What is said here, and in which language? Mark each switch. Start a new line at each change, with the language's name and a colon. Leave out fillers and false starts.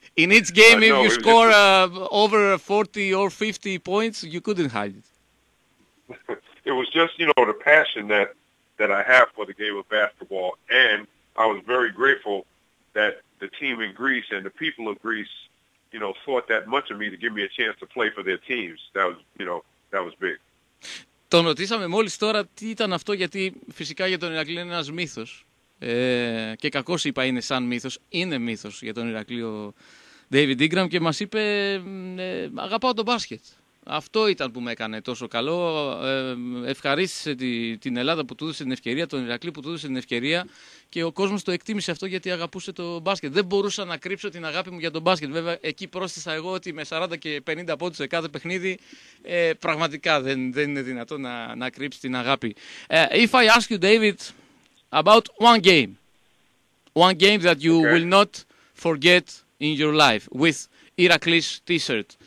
English: In each game, if you score over 40 or 50 points, you couldn't hide it. It was just, you know, the passion that I have for the game of basketball. And I was very grateful that the team in Greece and the people of Greece, you know, thought that much of me to give me a chance to play for their teams. That was, you know, that was big.
Greek: Τον ρωτήσαμε μόλις τώρα τι ήταν αυτό, γιατί φυσικά για τον Ηρακλή είναι ένας μύθος. Και κακώς είπα είναι σαν μύθος. Είναι μύθος για τον Ηρακλή ο Ντέιβιντ Ινγκραμ, και μας είπε αγαπάω τον μπάσκετ. Αυτό ήταν που με έκανε τόσο καλό. Ευχαρίστησε την Ελλάδα που του έδωσε την ευκαιρία, τον Ηρακλή που του έδωσε την ευκαιρία, και ο κόσμος το εκτίμησε αυτό, γιατί αγαπούσε το μπάσκετ. Δεν μπορούσα να κρύψω την αγάπη μου για το μπάσκετ. Βέβαια, εκεί πρόσθεσα εγώ ότι με 40 και 50 πόντους σε κάθε παιχνίδι, πραγματικά δεν είναι δυνατό να κρύψει την αγάπη.
English: If I ask you, David, about one game. One game that you okay. will not forget in your life with Ηρακλής t-shirt.